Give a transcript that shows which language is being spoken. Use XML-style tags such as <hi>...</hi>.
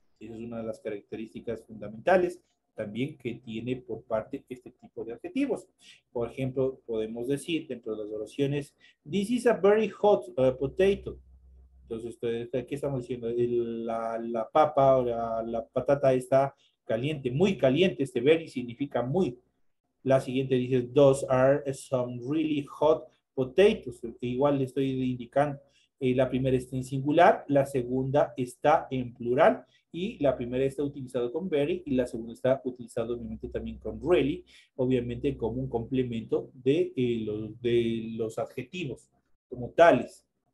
<es>Esa es una de las características fundamentales también que tiene por parte este tipo de adjetivos. Por ejemplo, podemos decir dentro de las oraciones,</es> <en>this is a very hot potato.</en> <es>Entonces, ¿qué estamos diciendo? La papa o la patata está caliente, muy caliente. Este very significa muy. La siguiente dice,</es> <en>those are some really hot potatoes.</en> <es>Igual le estoy indicando. La primera está en singular, la segunda está en plural y la primera está utilizado con very y la segunda está utilizado obviamente también con really, obviamente como un complemento de los adjetivos como tales.</es>